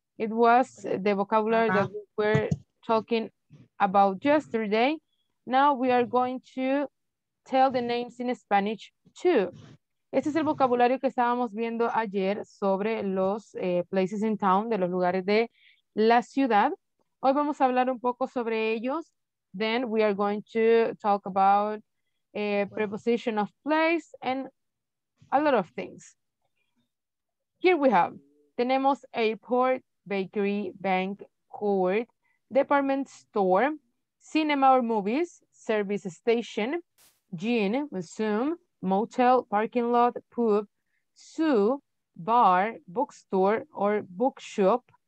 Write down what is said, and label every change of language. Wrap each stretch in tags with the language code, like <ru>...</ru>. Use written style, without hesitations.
<en>It was the vocabulary that we were talking about yesterday. Now we are going to tell the names in Spanish too.</en> <es>Este es el vocabulario que estábamos viendo ayer sobre los places in town, de los lugares de la ciudad. Hoy vamos a hablar un poco sobre ellos.</es> <en>Then we are going to talk about a preposition of place and a lot of things. Here we have, tenemos airport, bakery, bank, court, department store, cinema or movies, service station, gym, museum, motel, parking lot, pub, zoo, bar, bookstore or bookshop,</en>